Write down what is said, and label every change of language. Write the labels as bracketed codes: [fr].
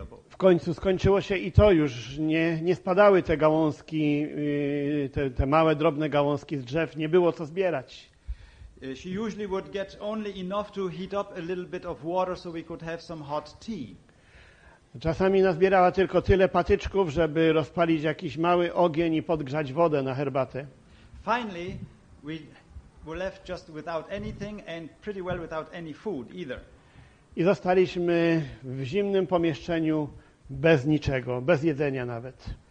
[pl] W końcu skończyło się i to już nie spadały te gałązki, te małe drobne gałązki z drzew, nie było co zbierać. [en] She usually would get only enough to heat up a little bit of water so we could have some hot tea. [pl] Czasami nazbierała tylko tyle patyczków, żeby rozpalić jakiś mały ogień i podgrzać wodę na herbatę. [en] Finally, we were left just without anything and pretty well without any food either. [pl] I zostaliśmy w zimnym pomieszczeniu bez niczego, bez jedzenia nawet.